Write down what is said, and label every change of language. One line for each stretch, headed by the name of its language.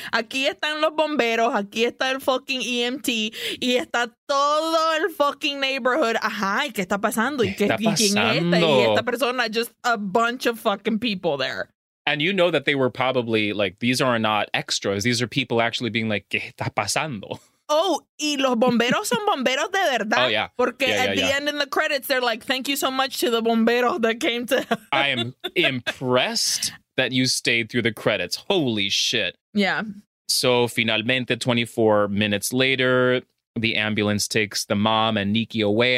Spanish: Aquí están los bomberos. Aquí está el fucking EMT. Y está todo el
English: fucking neighborhood.
Spanish: Ajá, ¿y qué está pasando? ¿Y qué está pasando? Y esta persona,
English: just a bunch of fucking people there. And you know that they were probably like, these are not extras. These are people actually being like,
Spanish: ¿qué está pasando? Oh, y los bomberos son bomberos de verdad.
English: Oh, yeah.
Spanish: Porque yeah, at yeah, the yeah.
English: end in the credits, they're like, thank you so much to the bomberos that came to. I am impressed that you stayed through the credits. Holy shit. Yeah. So finalmente, 24 minutes later, the ambulance takes the mom and Nikki away.